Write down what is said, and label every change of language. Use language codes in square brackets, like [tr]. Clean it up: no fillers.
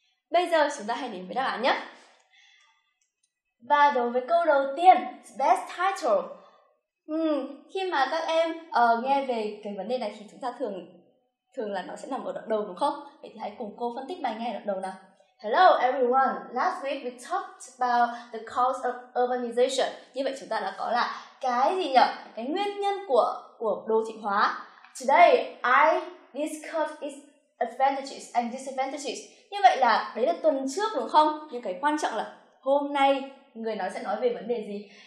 [vi] Bây giờ chúng ta hãy đến với đáp án nhé. Và đối với câu đầu tiên, best title. Khi mà các em nghe về cái vấn đề này thì chúng ta thường là nó sẽ nằm ở đoạn đầu, đúng không? Vậy thì hãy cùng cô phân tích bài nghe đoạn đầu nào. [en] Hello everyone, last week we talked about the cause of urbanization. [vi] Như vậy chúng ta đã có là cái gì nhỉ? Cái nguyên nhân của đô thị hóa. [en] Today I discussed its advantages and disadvantages. [vi] Như vậy là đấy là tuần trước, đúng không? Nhưng cái quan trọng là hôm nay người nói sẽ nói về vấn đề gì?